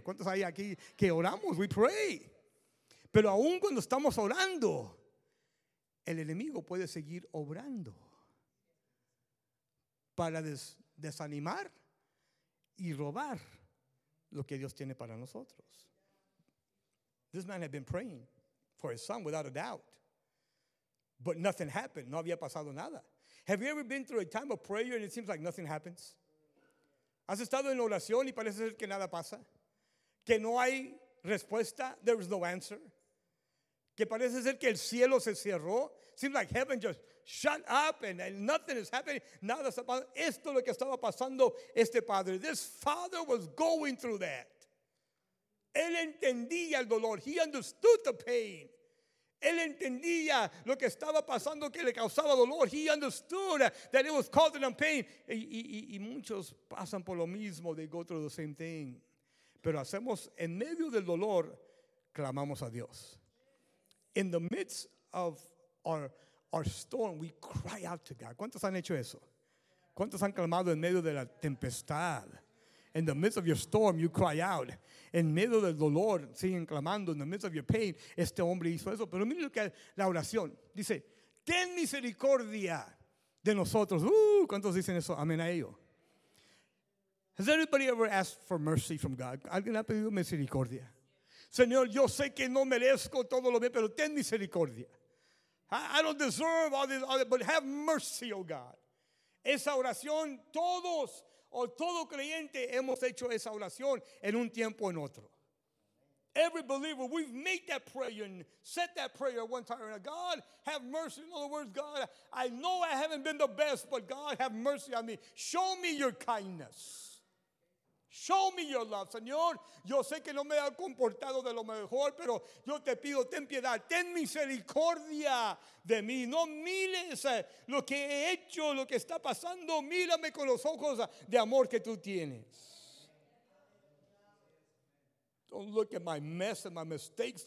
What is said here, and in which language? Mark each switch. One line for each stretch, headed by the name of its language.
Spanish: ¿Cuántos hay aquí que oramos?
English: We pray.
Spanish: Pero aún cuando estamos orando, el enemigo puede seguir obrando para desanimar y robar lo que Dios tiene para nosotros.
English: This man had been praying for his son without a doubt, but nothing happened.
Spanish: No había pasado nada.
English: Have you ever been through a time of prayer and it seems like nothing happens?
Spanish: ¿Has estado en oración y parece ser que nada pasa? ¿Que no hay respuesta?
English: There is no answer.
Spanish: ¿Que parece ser que el cielo se cerró?
English: Seems like heaven just shut up and nothing is happening.
Spanish: Nada está pasando. Esto es lo que estaba pasando este padre.
English: This father was going through that.
Spanish: Él entendía el dolor.
English: He understood the pain.
Spanish: Él entendía lo que estaba pasando que le causaba dolor.
English: He understood that it was causing him pain.
Spanish: Y muchos pasan por lo mismo.
English: They go through the same thing.
Spanish: Pero hacemos en medio del dolor, clamamos a Dios.
English: In the midst of our storm, we cry out to God.
Spanish: ¿Cuántos han hecho eso? ¿Cuántos han clamado en medio de la tempestad?
English: In the midst of your storm, you cry out.
Spanish: En medio del dolor, siguen clamando.
English: In the midst of your pain,
Spanish: este hombre hizo eso. Pero miren lo que la oración dice: ten misericordia de nosotros. ¿Cuántos dicen eso? Amén a ello.
English: Has anybody ever asked for mercy from God?
Spanish: ¿Alguien ha pedido misericordia? Señor, yo sé que no merezco todo lo bien, pero ten misericordia.
English: I don't deserve all this, but have mercy, oh God.
Spanish: Esa oración, todos o todo creyente hemos hecho esa oración en un tiempo o en otro.
English: Every believer, we've made that prayer and said that prayer one time. God, have mercy. In other words, God, I know I haven't been the best, but God, have mercy on me. Show me your kindness. Show me your love, Señor.
Spanish: Yo sé que no me he comportado de lo mejor, pero yo te pido, ten piedad, ten misericordia de mí. No mires lo que he hecho, lo que está pasando. Mírame con los ojos de amor que tú tienes.
English: Don't look at my mess and my mistakes.